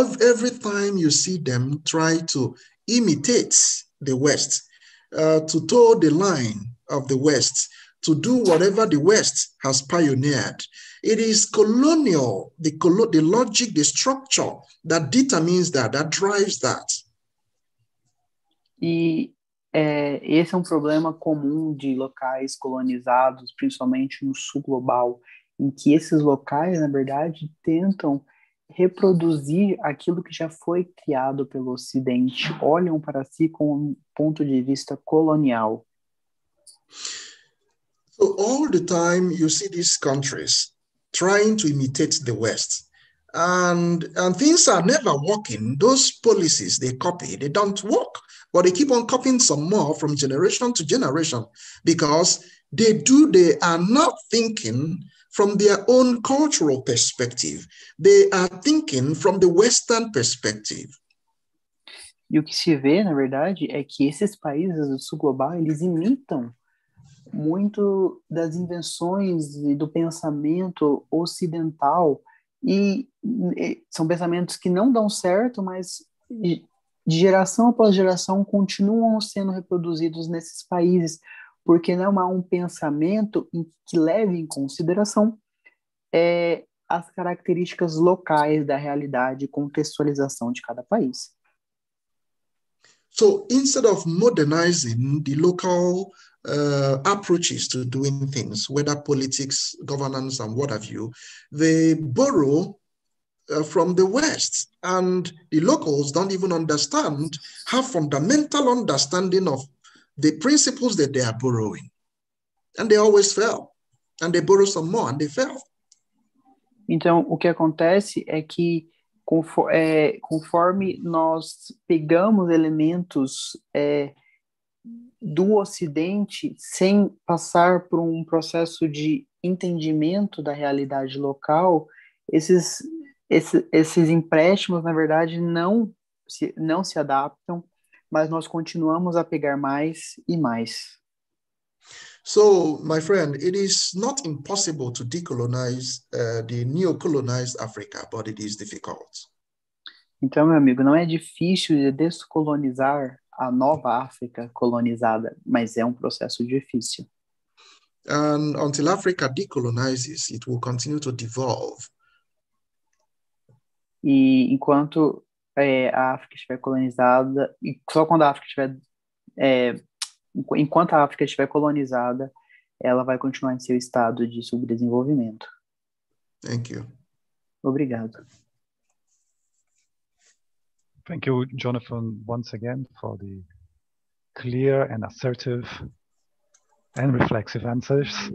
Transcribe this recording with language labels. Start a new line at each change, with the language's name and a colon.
English: Every time you see them try to imitate the West, to toe the line of the West, to do whatever the West has pioneered. It is colonial, the logic, the structure that determines that drives that.
Portuguese: E esse é um problema comum de locais colonizados, principalmente no sul global, em que esses locais, na verdade, tentam reproduzir aquilo que já foi criado pelo Ocidente, olham para si com um ponto de vista colonial.
English: So all the time you see these countries trying to imitate the West, and things are never working. Those policies they copy, they don't work, but they keep on copying some more from generation to generation because they are not thinking from their own cultural perspective. They are thinking from the Western perspective.
Portuguese: E o que se vê, na verdade, é que esses países do sul global, eles imitam muito das invenções e do pensamento ocidental e são pensamentos que não dão certo, mas de geração após geração continuam sendo reproduzidos nesses países, porque não há um pensamento que leve em consideração as características locais da realidade e contextualização de cada país.
English: So instead of modernizing the local approaches to doing things, whether politics, governance, and what have you, they borrow from the West, and the locals don't even understand, have fundamental understanding of the principles that they are borrowing. And they always fail. And they borrow some more, and they fail.
Portuguese: Então, o que acontece é que conforme nós pegamos elementos do Ocidente sem passar por um processo de entendimento da realidade local, esses empréstimos, na verdade, não se adaptam, mas nós continuamos a pegar mais e mais.
English: So, my friend, it is not impossible to decolonize the neocolonized Africa, but it is difficult.
Portuguese: Então, meu amigo, não é difícil de descolonizar a nova África colonizada, mas é um processo difícil.
English: And until Africa decolonizes, it will continue to devolve.
Portuguese: E enquanto a África estiver colonizada, e só quando a África estiver enquanto a África estiver colonizada, ela vai continuar em seu estado de subdesenvolvimento.
English: Thank you.
Portuguese: Obrigado.
English: Thank you, Jonathan, once again for the clear and assertive and reflexive answers.